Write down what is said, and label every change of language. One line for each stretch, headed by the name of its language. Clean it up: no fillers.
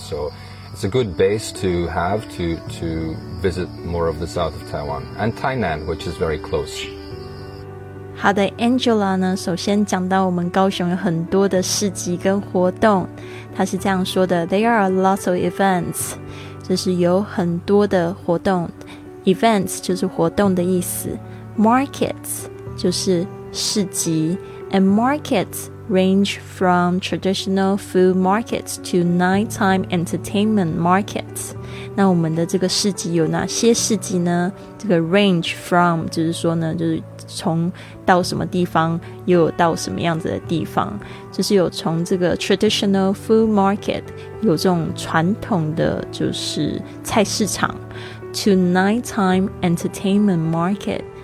English: So it's a good base to have to visit more of the south of Taiwan and Tainan, which is very close.
Chinese: 好的 ，Angela 呢，首先讲到我们高雄有很多的市集跟活动，他是这样说的 ：
English: There are lots of events，
Chinese: 就是有很多的活动 ，events 就是活动的意思 ，markets 就是市集 ，
English: and markets。 Range from traditional food markets to nighttime entertainment markets.
Chinese: 那我们的这个市集有哪些市集呢？这个 range from 就是说呢，就是从到什么地方又有到什么样子的地方，就是有从这个 traditional food market 有这种传统的就是菜市场
English: to nighttime entertainment market.